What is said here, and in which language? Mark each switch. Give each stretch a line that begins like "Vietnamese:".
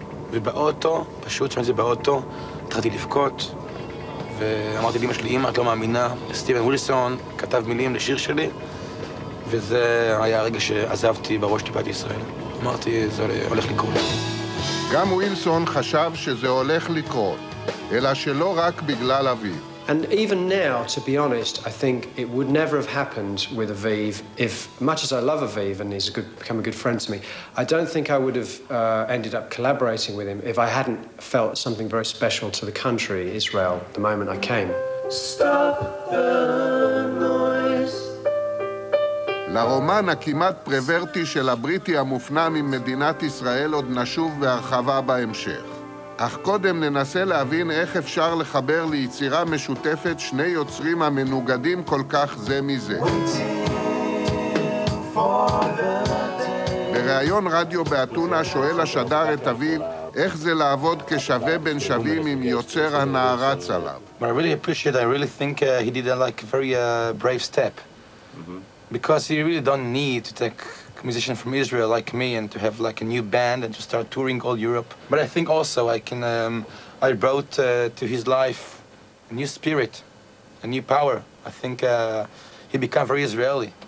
Hebrew: ובאוטו, פשוט שם את זה באוטו, התחלתי לבכות, ואמרתי לאמא שלי, אמא, את לא מאמינה, סטיבן ווילסון כתב מילים לשיר שלי, וזה היה הרגע שעזבתי בראש טיפת ישראל. אמרתי, זה הולך לקרות. גם ווילסון חשב שזה הולך לקרות. אלא שלא רק בגלל אביב.
English: And even now, to be honest, I think it would never have happened with Aviv if, much as I love Aviv and he's become a good friend to me, I don't think I would have ended up collaborating with him if I hadn't felt something very special to the country, Israel, the moment I came. Stop the noise.
Hebrew: לרומן הכמעט פרוורטי של הבריטי המופנם עם מדינת ישראל עוד נשוב בהרחבה בהמשך. אך קודם ננסה להבין איך אפשר לחבר ליצירה משותפת שני יוצרים המנוגדים כל כך זה מזה. בריאיון רדיו באתונה שואל השדר את אביב איך זה לעבוד כשווה בין שווים עם יוצר הנערץ עליו.
English: But I really appreciate, I really think he did a like very brave step. Because he really don't need to take musician from Israel like me and to have like a new band and to start touring all Europe. But I think also I can I brought to his life a new spirit, a new power. I think he became very Israeli.